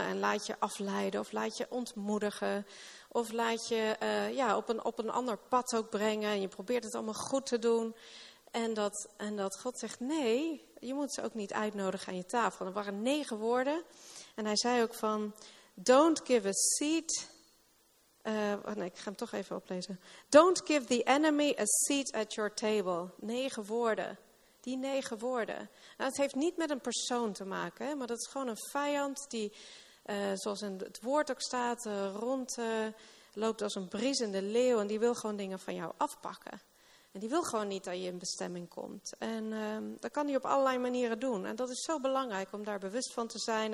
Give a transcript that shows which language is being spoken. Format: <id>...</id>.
<nl>En laat je afleiden of laat je ontmoedigen. Of laat je op een ander pad ook brengen. En je probeert het allemaal goed te doen. En dat God zegt, nee, je moet ze ook niet uitnodigen aan je tafel. Er waren 9 woorden. En hij zei ook van,</nl> <en>don't give a seat.</en> <nl>Ik ga hem toch even oplezen.</nl> <en>Don't give the enemy a seat at your table.</en> <nl>9 woorden. Die 9 woorden. Nou, het heeft niet met een persoon te maken. Hè, maar dat is gewoon een vijand die, zoals in het woord ook staat, loopt als een briesende leeuw. En die wil gewoon dingen van jou afpakken. En die wil gewoon niet dat je in bestemming komt. En dat kan hij op allerlei manieren doen. En dat is zo belangrijk om daar bewust van te zijn.</nl>